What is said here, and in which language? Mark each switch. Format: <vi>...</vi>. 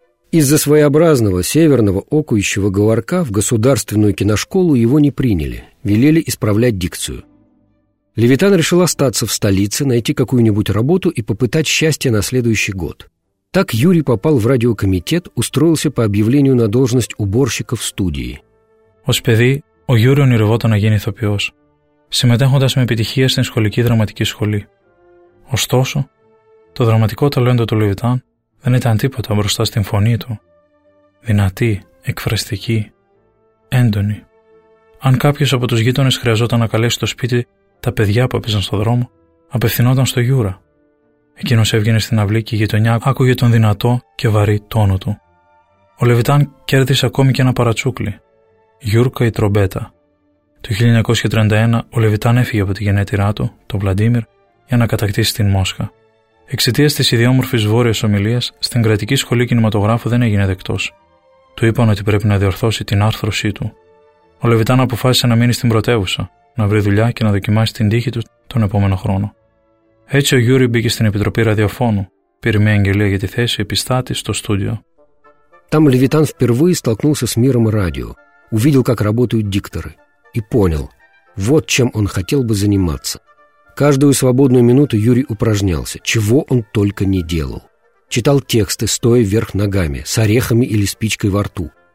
<ru>Из-за своеобразного северного окующего говорка в государственную киношколу его не приняли, велели исправлять дикцию. Левитан решил остаться в столице, найти какую-нибудь работу и попытать счастье на следующий год. Так Юрий попал в радиокомитет, устроился по объявлению на должность уборщика в студии.</ru> <el>Ως παιδί, ο Юрий ονειρευόταν να γίνει ηθοποιός, συμμετέχοντας με επιτυχία στην σχολική δραματική σχολή. Ωστόσο, το δραματικό ταλέντο του Λεβιτάν δεν ήταν τίποτα μπροστά στην φωνή του. Δυνατή, εκφραστική, έντονη. Αν κάποιος από τους γείτονες χρειαζόταν να καλέσει στο σπίτι τα παιδιά που έπαιζαν στο δρόμο, απευθυνόταν στο Γιούρα. Εκείνος έβγαινε στην αυλή και η γειτονιά άκουγε τον δυνατό και βαρύ τόνο του. Ο Λεβιτάν κέρδισε ακόμη και ένα παρατσούκλι. Γιούρκα η τρομπέτα. Το 1931 ο Λεβιτάν έφυγε από τη γενέτειρά του, τον Βλαντίμιρ, για να κατακτήσει την Μόσχα. Εξαιτίας της ιδιόμορφης βόρειας ομιλίας, στην κρατική σχολή κινηματογράφου δεν έγινε δεκτός. Του είπαν ότι πρέπει να διορθώσει την άρθρωσή του. Ο Λεβιτάν αποφάσισε να μείνει στην πρωτεύουσα, να βρει δουλειά και να δοκιμάσει την τύχη του τον επόμενο χρόνο. Έτσι ο Γιούρι μπήκε στην Επιτροπή Ραδιοφώνου, πήρε μια αγγελία για τη θέση επιστάτη στο στούντιο.</el> <ru>Там Левитан впервые столкнулся с миром радио, увидел, как работают дикторы, и понял, вот чем он хотел бы заниматься. Каждую свободную минуту Юрий упражнялся, чего он только не делал. Читал тексты, стоя вверх ногами, с орехами или спичкой во рту.</ru>